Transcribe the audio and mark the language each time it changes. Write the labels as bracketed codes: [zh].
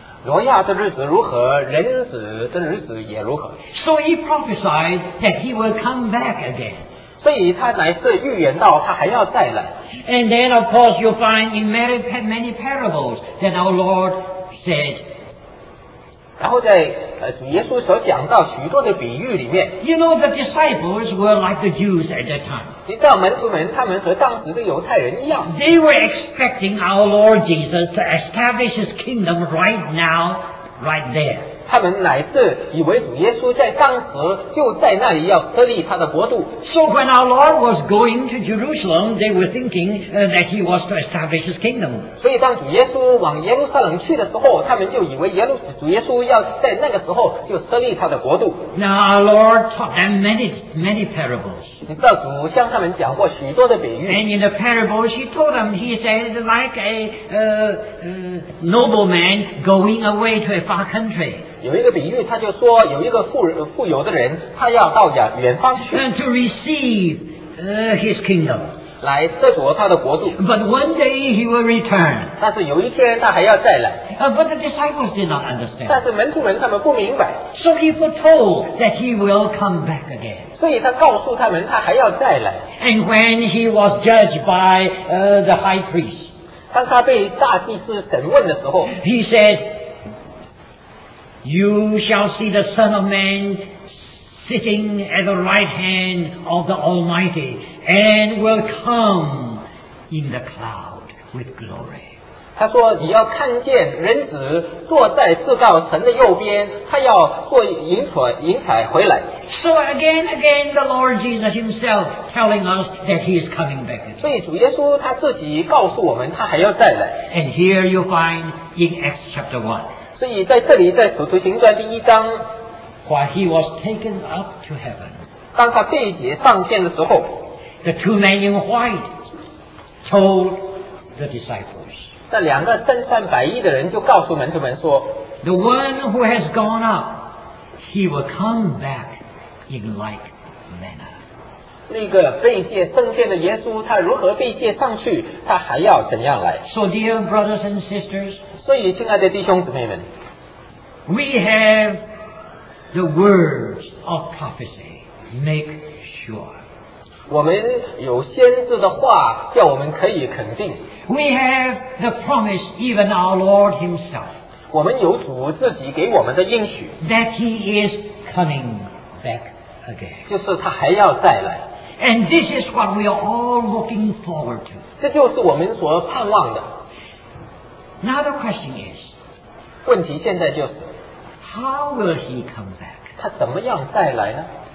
[zh] 挪亚的日子如何人子的日子也如何 [en] So he prophesied that he will come back again. [zh] 所以他乃是预言到他还要再来。 [en] And then, of course, you find in many, many parables that our Lord said. [zh] 然后在耶稣所讲到许多的比喻里面。 [en] You know, the disciples were like the Jews at that time. [zh] 你知道门徒们他们和当时的犹太人一样。 [en] They were expecting our Lord Jesus to establish his kingdom right now, right there. [zh] 他们乃是以为主耶稣在当时就在那里要设立他的国度。 [en] So when our Lord was going to Jerusalem, they were thinking that he was to establish his kingdom. [zh] 所以当主耶稣往耶路撒冷去的时候，他们就以为主耶稣要在那个时候就设立他的国度。 [en] Now our Lord taught them many, many parables. [zh] 你知道主向他们讲过许多的比喻。 [en] And in the parables, he told them, he said, like a nobleman going away to a far country. [zh] 有一个比喻，他就说有一个富有的人，他要到远方去 [en] ，to receive his kingdom， [zh] 来得着他的国度。 [en] But one day he will return， [zh] 但是有一天他还要再来。 [en] But the disciples did not understand， [zh] 但是门徒们他们不明白。 [en] So he foretold that he will come back again， [zh] 所以他告诉他们他还要再来。 [en] And when he was judged by the high priest， [zh] 当他被大祭司审问的时候 [en] He said You shall see the Son of Man sitting at the right hand of the Almighty and will come in the cloud with glory. [zh] 他说你要看见人子坐在至高神的右边他要做云彩回来。 [en] So again, the Lord Jesus himself telling us that he is coming back again. [zh] 所以主耶稣他自己告诉我们他还要再来。 [en] And here you find in Acts chapter 1. [zh] 所以在这里在使徒行传第一章 [en] While he was taken up to heaven, [zh] 当他被解上天的时候 [en] the two men in white told the disciples. [zh] 那两个身穿白衣的人就告诉门徒们说 [en] The one who has gone up, he will come back. In like manner. [zh] 那个被借圣殿的耶稣，他如何被借上去？他还要怎样来 [en] ？So dear brothers and sisters. [zh] 所以，亲爱的弟兄姊妹们 [en] ，We have the words of prophecy. Make sure. [zh] 我们有先知的话，叫我们可以肯定。 [en] We have the promise, even our Lord Himself. [zh] 我们有主自己给我们的应许。 [en] That He is coming. Back again. [zh] 就是他还要再来。 [en] And this is what we are all looking forward to. [zh] 这就是我们所盼望的。 [en] Now the question is, [zh] 问题现在就是, [en] how will he come back? [zh] 他怎么样再来呢?